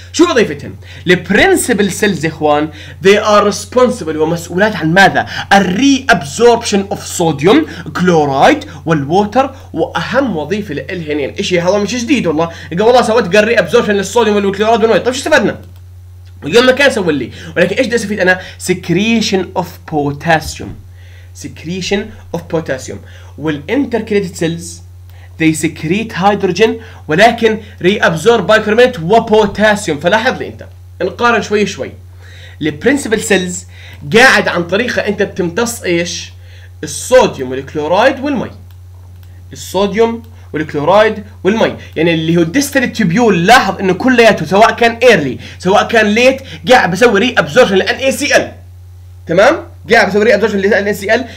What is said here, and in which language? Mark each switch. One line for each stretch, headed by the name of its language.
Arabic: شو وظيفتهم؟ البرنسبل سيلز اخوان
English: they are responsible
Arabic: ومسؤولات عن ماذا؟ الري ابزوربشن اوف صوديوم كلورايد والووتر. واهم وظيفه للهنين شيء هذا مش جديد والله، قال والله سويت الري ابزوربشن للصوديوم والكلورايد والمي، طيب شو استفدنا؟ وين ما كان سوي لي، ولكن ايش بدي استفيد انا؟ سكريشن اوف بوتاسيوم،
English: secretion of potassium. والintegrated cells they secrete hydrogen ولكن reabsorb bicarbonate وpotassium.
Arabic: فلاحظ لي انت نقارن شوي شوي، principal cells قاعد عن طريقة انت بتمتص ايش؟ الصوديوم والكلورايد والمي، الصوديوم والكلورايد والمي، يعني اللي هو distilled tubule. لاحظ انه كلياته سواء كان early سواء كان late قاعد بسوي reabsorption لل NaCl، تمام؟ قاعد بسوي ري ابزوربشن لل NaCl.